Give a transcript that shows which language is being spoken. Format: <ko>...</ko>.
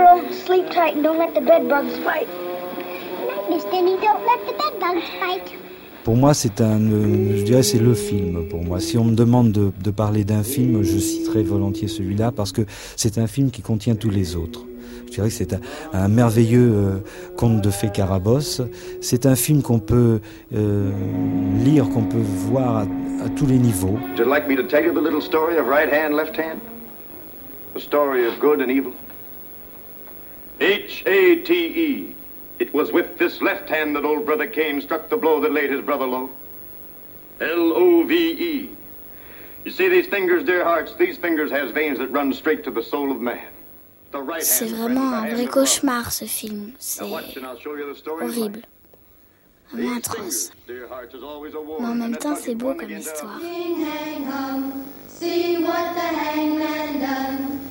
<en>Sleep tight and don't let the bed bugs bite. Night, Mr. Nee, don't let the bed bugs bite.</en> <fr>Pour moi, c'est le film. Pour moi, si on me demande de parler d'un film, je citerai volontiers celui-là parce que c'est un film qui contient tous les autres. Je dirais que c'est un merveilleux conte de fées Carabosse. C'est un film qu'on peut lire, qu'on peut voir à tous les niveaux.</fr> <en>Would you like me to tell you the little story of right hand, left hand? The story of good and evil. H-A-T-E. It was with this left hand that old brother Cain struck the blow that laid his brother low. L-O-V-E. You see these fingers, dear hearts, these fingers has veins that run straight to the soul of man.</en> <fr>C'est vraiment un vrai cauchemar, ce film. C'est horrible. Vraiment atroce. Mais en même temps, c'est beau comme histoire.</fr> <en>King hang hum, see what the hangman done.</en>